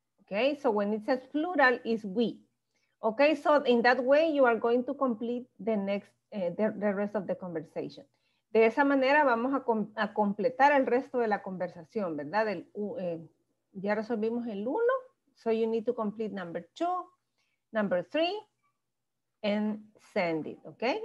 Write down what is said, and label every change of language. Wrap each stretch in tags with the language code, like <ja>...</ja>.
<en>Okay, so when it says plural, it's we. Okay, so in that way, you are going to complete the next, the rest of the conversation.</en> <es>De esa manera, vamos a completar el resto de la conversación, ¿verdad? Ya resolvimos el uno,</es> <en>so you need to complete number two, number three, and send it, okay?</en>